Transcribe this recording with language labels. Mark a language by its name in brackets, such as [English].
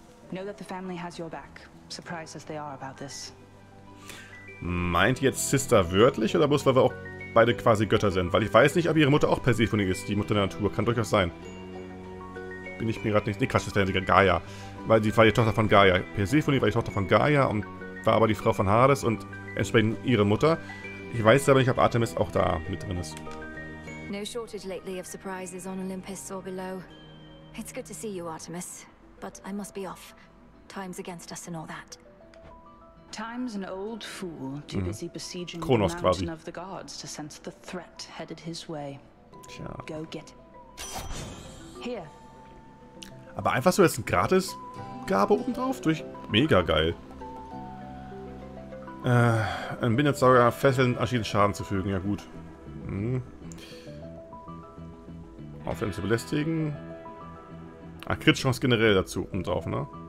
[English] Know that the family has your back, surprised as they are about this. [German] Meint jetzt Sister wörtlich oder bloß, weil wir auch beide quasi Götter sind? Weil ich weiß nicht, ob ihre Mutter auch Persephone ist, die Mutter der Natur. Kann durchaus sein. Bin ich mir gerade nicht... Nee, Quatsch, das wäre Gaia. Weil sie war die Tochter von Gaia. Persephone war die Tochter von Gaia und war aber die Frau von Hades und entsprechend ihre Mutter. Ich weiß aber nicht, ob Artemis auch da mit drin ist. [English] No shortage lately of surprises on Olympus or below. It's good to see you, Artemis. But I must be off. Time's against us and all that. Time's an old fool, too busy besieging the mountain of the gods to sense the threat headed his way. Tja. Go get it. Here. [German] Aber einfach so jetzt ein Gratis-Gabe obendrauf durch... Mega geil. Ein Bindensauger fesseln, erschienen Schaden zu fügen. Ja gut. Aufhören zu belästigen. Ach, Crit-Chance generell dazu und drauf, ne?